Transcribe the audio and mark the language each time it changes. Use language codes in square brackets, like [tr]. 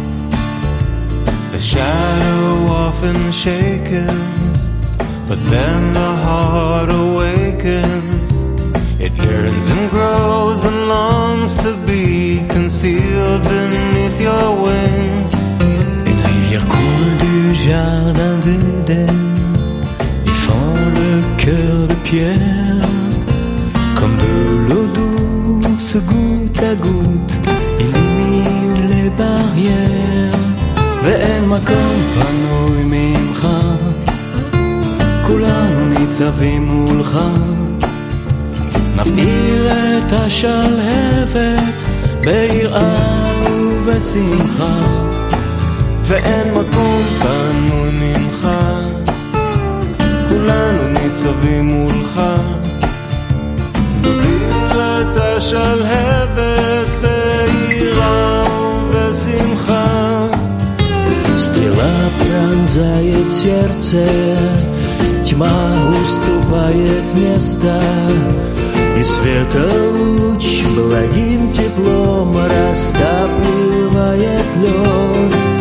[en] The shadow often shakens, but then the heart awakens. It yearns and grows and longs to be concealed beneath your wings. [fr] Une rivière coule du jardin d'Eden, y fend le cœur de pierre. Comme de l'eau douce, goutte à goutte, illumine les barrières. [he] ואין מקום פנוי ממך, כולנו ניצבים מולך. נפעיל את השלהבת ביראה ובשמחה. ואין מקום פנוי ממך, כולנו ניצבים מולך. נפעיל את השלהבת ביראה ובשמחה. [ru] Стрела пронзает сердце, тьма уступает место, и светолуч благим теплом растапливает лед.